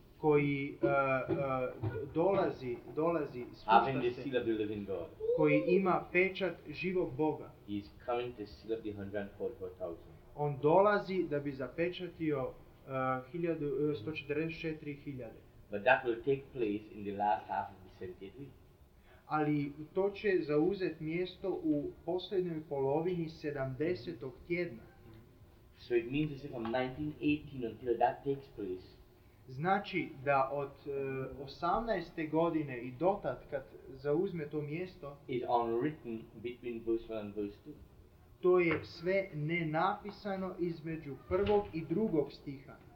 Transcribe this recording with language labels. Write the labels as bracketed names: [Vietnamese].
[Croatian] Koji dolazi, spušta se. [English] Seal of the living God. [Croatian] Koji ima pečat živog Boga. [English] He is coming to seal of the 144,000. [Croatian] On dolazi da bi zapečatio 144,000. [English] But that will take place in the last half of the century. [Croatian] Ali to će zauzet mjesto u posljednjoj polovini 70. tjedna. [English] So it means that from 1918 until that takes place. [Croatian] Znači da od 18. godine i dotad kad zauzme to mjesto [English] is unwritten between verse 1 and verse 2. [Croatian] To je sve nenapisano između prvog i drugog stiha.